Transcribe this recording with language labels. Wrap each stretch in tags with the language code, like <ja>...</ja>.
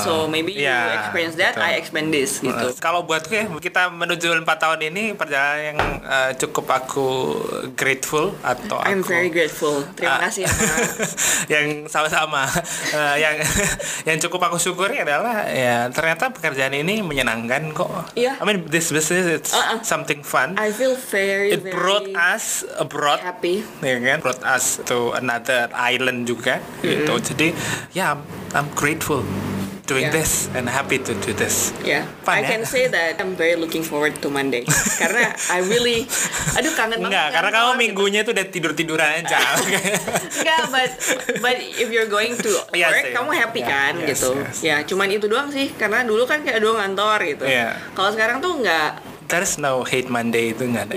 <en>So maybe yeah, you experience that,</en> <id>betul.</id> <en>I expand this</en> <id>gitu. Kalau buat ya, kita menuju 4 tahun ini perjalanan yang cukup aku grateful atau</id> <en>I'm very grateful.</en> <id>Terima kasih. Yang sama-sama. Yang yang cukup aku syukuri adalah ya ternyata pekerjaan ini menyenangkan kok.</id> <en>Yeah. I mean this business it's something fun. I feel very it brought very us abroad. Happy.</en> <id>Ya kan?</id> <en>Brought us to another island</en> <id>juga gitu. Jadi ya</id> <en>yeah, I'm grateful doing this and happy to do this. Yeah. Fun, I can say that I'm very looking forward to Monday.</en> <id>Karena</id> <en>I really</en> <id>aduh kangen banget. Enggak, karena kamu minggunya gitu tuh udah tidur-tiduran aja. Enggak,</id> <en>but if you're going to work, yes,</en> <id>kamu</id> <en>happy</en> <id>kan</id> <en>yes,</en> <id>gitu. Ya,</id> <en>yes.</en> <id>Cuman itu doang sih karena dulu kan kayak doang ngantor gitu.</id> <en>Yeah.</en> <id>Kalau sekarang tuh enggak.</id> <en>There's no hate Monday</en> <id>itu enggak ada.</id>